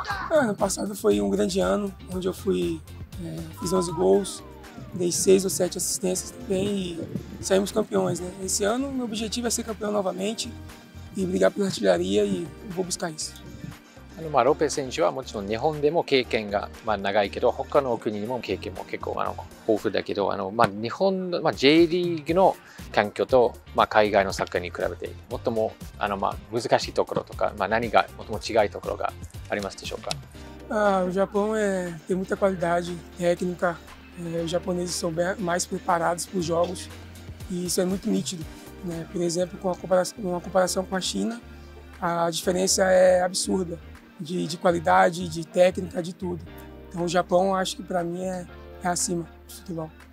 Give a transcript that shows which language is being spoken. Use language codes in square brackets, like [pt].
[pt] Ano passado foi um grande ano, onde eu fui, fiz 11 gols, dei 6 ou 7 assistências também e saímos campeões. Né? Esse ano, meu objetivo é ser campeão novamente e brigar pela artilharia e vou buscar isso. [ja] ロペ選手はもちろん日本でも経験が長いけど他の国にも経験も結構豊富だけど日本J-Leagueの環境と海外のサッカーに比べてもっと難しいところとか何が最も違いところがありますでしょうか? [pt] O Japão tem muita qualidade técnica, os japoneses são mais preparados para os jogos e isso é muito nítido. Né? Por exemplo, com uma comparação com a China, a diferença é absurda. De qualidade, de técnica, de tudo. Então, o Japão, acho que para mim é acima do futebol.